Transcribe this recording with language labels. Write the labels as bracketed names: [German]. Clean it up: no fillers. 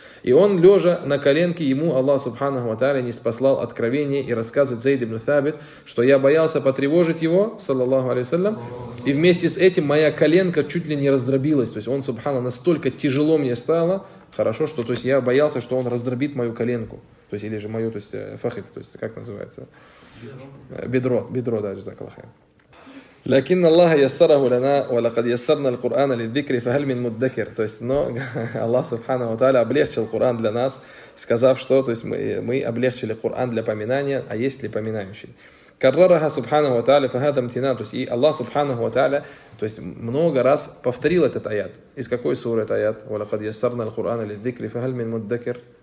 [Russian] И он, лежа на коленке, ему Аллах Субхану Та'аля ниспослал откровение и рассказывает Зайд ибн Сабит, что я боялся потревожить его, саллаллаху алейхи салям, и вместе с этим моя коленка чуть ли не раздробилась. То есть он, субхана, настолько тяжело мне стало, хорошо, что, то есть, я боялся, что он раздробит мою коленку. То есть, или же мою, то есть, фахит, то есть, как называется? Бедро. Бедро, да, джазакаллаху. [Arabic] لكن الله يسره لنا ولقد يسرنا القرآن للذكر فهل من مدكر. [Russian] То есть, но Аллах Субханаху ва Тааля облегчил Коран для нас, сказав, что, то есть, мы облегчили Коран для поминания, а есть ли поминающий? Каррараха Субханаху ва Тааля фахада мтина. То есть, и Аллах Субханаху ва Тааля, то есть, много раз повторил этот аят. Из какой суры этот аят? [Arabic] ولقد يسرنا القرآن للذكر فهل من مدكر.